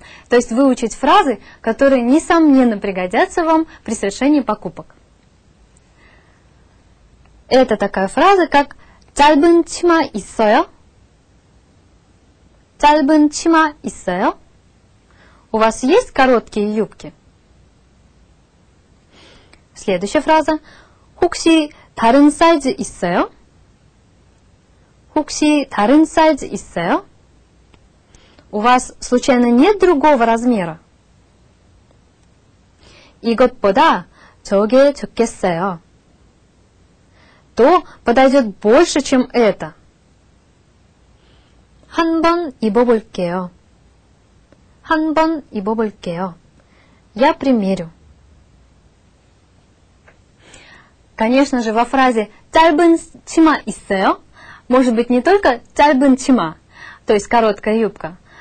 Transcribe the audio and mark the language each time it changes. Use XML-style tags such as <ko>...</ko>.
<ru>То есть выучить фразы, которые несомненно пригодятся вам при совершении покупок. Это такая фраза, как</ru> <ko>짧은 치마 있어요? 짧은 치마 있어요?</ko> <ru>У вас есть короткие юбки? Следующая фраза.</ru> <ko>혹시 다른 사이즈 있어요? 혹시 다른 사이즈 있어요?</ko> <ru>У вас случайно нет другого размера?</ru> <ko>이것보다 저게 좋겠어요.</ko> <ru>То подойдет больше, чем это.</ru> <ko>한번 입어볼게요. 한번 입어볼게요.</ko> <ru>Я примерю. Конечно же, во фразе</ru> <ko>«짧은 치마 있어요»</ko> <ru>может быть не только «짧은 치마», то есть короткая юбка.</ru>